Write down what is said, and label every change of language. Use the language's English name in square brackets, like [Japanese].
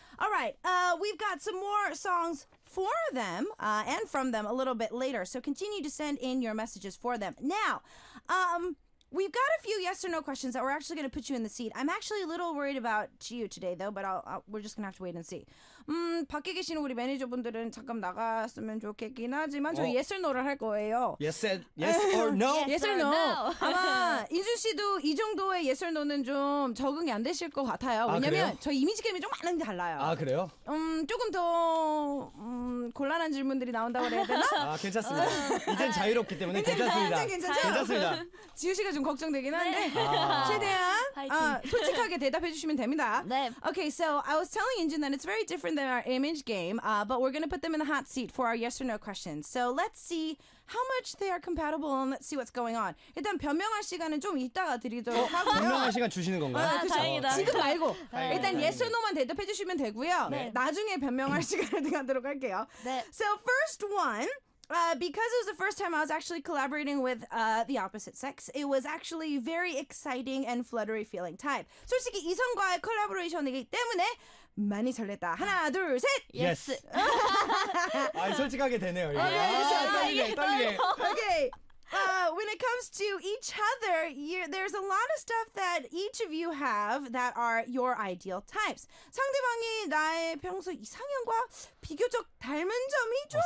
[English] All right, we've got some more songs for them and from them a little bit later, so continue to send in your messages for them. Now, we've got a few yes or no questions that we're actually going to put you in the seat. I'm actually a little worried about Chiu today, though, but we're just going to have to wait and see. [Korean] 밖에 계신 우리 매니저분들은 잠깐 나갔으면 좋겠긴 하지만 저희 [English] yes or no [Korean] 를 할 거예요. [English] Yes or no? Yes or no. [Korean] 아마 인준 씨도 이 정도의 [English] yes or no [Korean] 는 좀 적응이 안 되실 것 같아요. 왜냐면 저희 이미지 게임이 좀 많은 게 달라요. 아, 그래요? 조금 더 곤란한 질문들이 나온다고 해야 되나? 아, 괜찮습니다. 이젠 자유롭기 때문에 괜찮습니다. 괜찮습니다. 지우 씨가 좀 걱정되긴 한데 네. 최대한 솔직하게 대답해 주시면 됩니다. 네. [English] Okay, so I was telling Injun that it's very different than our image game, but we're going to put them in the hot seat for our yes or no questions. So let's see how much they are compatible and let's see what's going on. [Korean] 일단 변명할 시간은 좀 이따가 드리도록 하고요. 변명할 시간 주시는 건가요? 다행이다. 지금 말고. 일단 [English] yes or no [Korean] 만 대답해 주시면 되고요. 나중에 변명할 시간을 드리도록 할게요. [English] So first one, because it was the first time I was actually collaborating with the opposite sex, it was actually very exciting and fluttery feeling type. [Korean] 솔직히 이성과의 콜라보레이션이기 때문에 많이 설렜다. 하나, 둘, 셋. [English] Yes. [Korean] 아, 솔직하게 되네요. 떨리네. [English] Okay. When it comes to each other, there's a lot of stuff that each of you have that are your ideal types. [Korean] 상대방이 나의 평소 이상형과 비교적 닮은 점이 좀